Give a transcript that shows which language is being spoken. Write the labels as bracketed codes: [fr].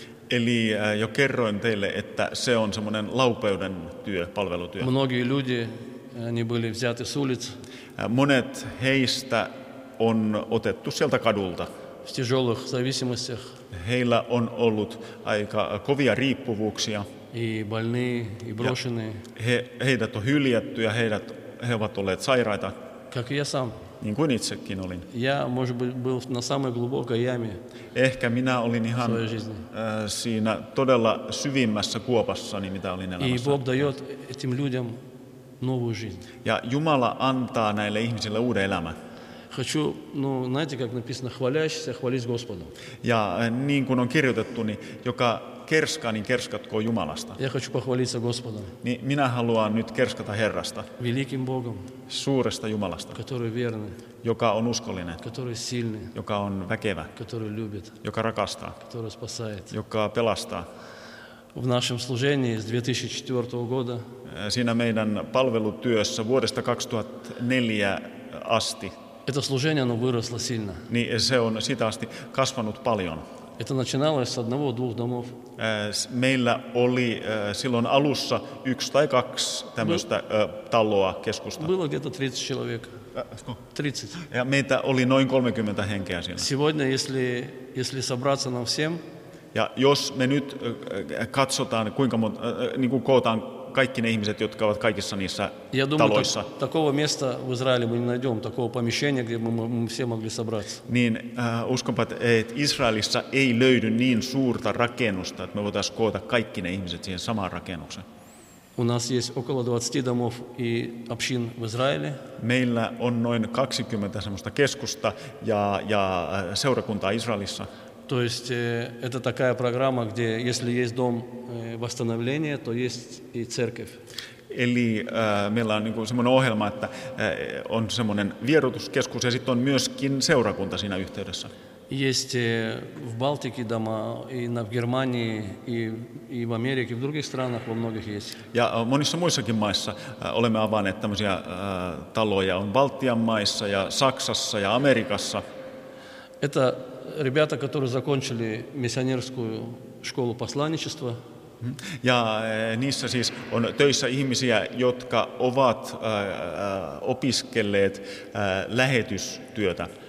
[fi] Eli jo kerroin teille, että se on semmoinen laupeuden työ, palvelutyö. [ru] Многие люди, они были взяты с улиц. [fi] Monet heistä on otettu sieltä kadulta. [ru] В тяжелых зависимостях. [fi] Heillä on ollut aika kovia riippuvuuksia. [ru] И больные, и брошенные. [fi] Heidät on hyljätty ja he ovat olleet sairaita. [ru] Как я сам. [fi] Niin kuin itsekin olin. [ru] Я, может быть, был на самой глубокой яме. [fi] Ehkä minä olin ihan siinä todella syvimmässä kuopassani, mitä olin elämässä. [ru] И Бог дает этим людям новую жизнь. [fi] Ja Jumala antaa näille ihmisille uuden elämän. [ru] Хочу, ну, знаете, как написано, хваляющийся, хвались Господу. [fi] Ja niin kuin on kirjoitettu, niin joka kerskaa, niin kerskatkoon Jumalasta. [ru] Я хочу похвалиться Господом. [fi] Niin minä haluan nyt kerskata Herrasta. [ru] Великим Богом. [fi] Suuresta Jumalasta. [ru] Который верный. [fi] Joka on uskollinen. [ru] Который сильный. [fi] Joka on väkevä. [ru] Который любит. [fi] Joka rakastaa. [ru] Который спасает. [fi] Joka pelastaa. [ru] В нашем служении с 2004 года. [fi] Siinä meidän palvelutyössä vuodesta 2004 asti. [ru] Это служение, оно выросло сильно. [fi] Niin se on siitä asti kasvanut paljon. [ru] Это начиналось с одного-двух домов. [fi] Meillä oli silloin alussa yksi tai kaksi tämmöistä taloa keskusta. [ru] Было где-то 30 человек. 30. [fi] Ja meitä oli noin 30 henkeä siinä. [ru] Сегодня, если собраться нам всем. [fi] Ja jos me nyt katsotaan, kuinka monta, niin kuin kootaan kaikki ne ihmiset, jotka ovat kaikissa niissä [ru] я [fi] taloissa. [ru] Думаю, такого места в Израиле мы не найдем, такого помещения, где мы все могли собраться. [fi] Niin uskonpa, että Israelissa ei löydy niin suurta rakennusta, että me voitaisiin koota kaikki ne ihmiset siihen samaan rakennukseen. [ru] У нас есть около 20 домов и общин в Израиле. [fi] Meillä on noin 20 semmoista keskusta ja seurakuntaa Israelissa. [ru] То есть это такая программа, где если есть дом восстановления, то есть и церковь. [fi] Eli meillä on niinku semmoinen ohjelma, että on semmoinen vieroituskeskus ja sitten on myöskin seurakunta siinä yhteydessä. [ru] Есть в Балтике дома и в Германии и в Америке, в других странах во многих есть. [fi] Ja monissa muissakin maissa olemme avanneet tämmöisiä taloja. On Baltian maissa ja Saksassa ja Amerikassa. [ru] Это ребята, которые закончили миссионерскую школу посланничества. [fi] Ja niissä siis on töissä ihmisiä, jotka ovat opiskelleet lähetystyötä.